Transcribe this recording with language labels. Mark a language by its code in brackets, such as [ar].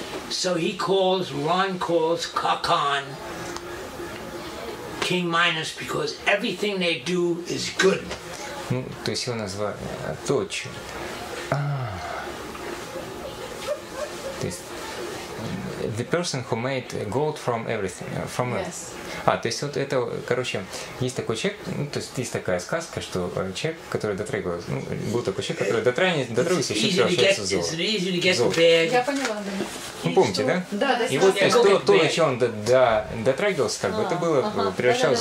[en] So he calls, Ron calls Kakan King Minus because everything they do is good. [ru] Ну, то есть его назвали точно. А. То есть [en] the person who made gold from everything, from yes. Earth. [ru] А, то есть вот это, короче, есть такой человек, ну, то есть есть такая сказка, что человек, который дотрагивался, ну, был такой человек, который дотрагивался, и человек превращается в золото. Я поняла, да. Ну, помните, да? Да, да. И вот то, есть, то на чем он дотрагивался, как бы, это было, ага, превращалось